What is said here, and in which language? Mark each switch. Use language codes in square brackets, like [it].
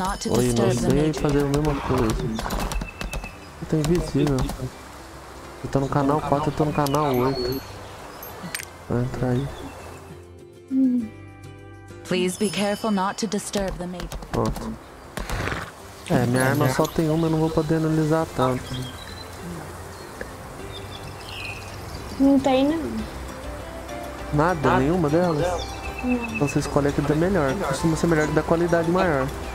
[pt] Oi, mas vem aí fazer a mesma coisa. Eu tô invisível. Eu tô no canal 4, eu tô no canal 8. Vai entrar aí. [en] Please be careful not to disturb the matrix. [pt] Pronto. É, minha arma só tem uma, eu não vou poder analisar tanto. Não tem não. Nada? Nenhuma delas? Não. Então você escolhe a que dá melhor. Costuma ser melhor que dá qualidade maior.